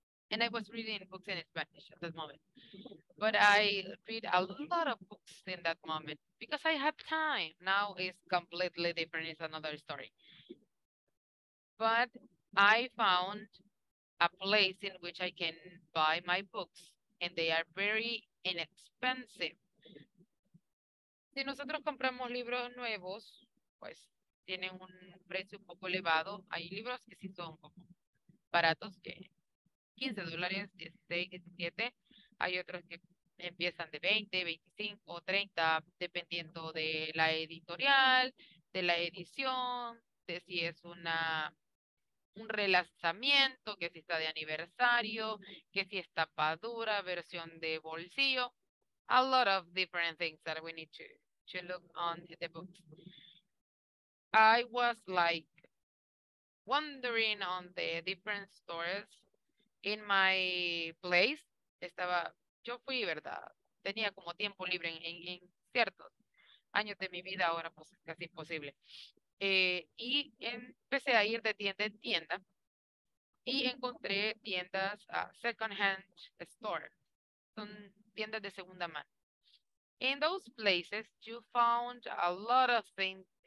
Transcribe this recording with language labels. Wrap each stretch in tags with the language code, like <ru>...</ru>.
<en>And I was reading books in Spanish at that moment. But I read a lot of books in that moment because I had time. Now it's completely different, it's another story. But I found a place in which I can buy my books, and they are very inexpensive.</en> <es>Si nosotros compramos libros nuevos, pues tienen un precio un poco elevado. Hay libros que sí son como baratos, que $15, 16, 17. Hay otros que empiezan de 20, 25, 30, dependiendo de la editorial, de la edición, de si es un relanzamiento, que si está de aniversario, que si es tapadura, versión de bolsillo.</es> <en>A lot of different things that we need to look on the books. I was like wondering on the different stores in my place.</en> <es>Estaba, yo fui, ¿verdad? Tenía como tiempo libre en ciertos años de mi vida, ahora pues es casi imposible. Y empecé a ir de tienda en tienda y encontré tiendas</es> <en>second hand store,</en> <es>son tiendas de segunda mano.</es> <en>In those places you found a lot of things</en>